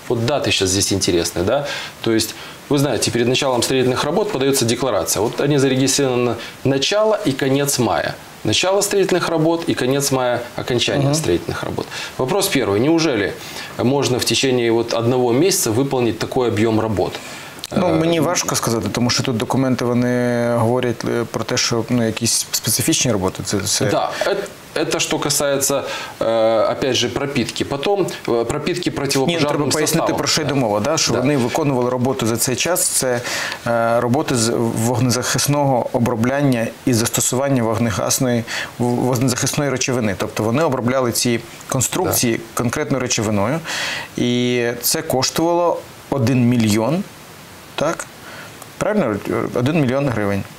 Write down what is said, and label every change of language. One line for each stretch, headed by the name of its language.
Russian: Вот даты сейчас здесь интересны. Да? То есть, вы знаете, перед началом строительных работ подается декларация. Вот они зарегистрированы начало и конец мая. Начало строительных работ и конец мая окончание строительных работ. Вопрос первый. Неужели можно в течение вот одного месяца выполнить такой объем работ?
Ukrainian: Ну, мені важко сказати, тому що тут документи вони говорять про те, що ну, якісь специфічні роботи. Це...
Russian: Да, это что касается, опять же, пропитки. Потом пропитки противопожарным составом.
Ukrainian: Треба пояснити, про що йде мова, що вони виконували роботу за цей час. Це роботи з вогнезахисного обробляння і застосування вогнезахисної речовини. Тобто вони обробляли ці конструкції конкретною речовиною. І це коштувало 1 мільйон. Так? Правильно? 1 мільйон гривень.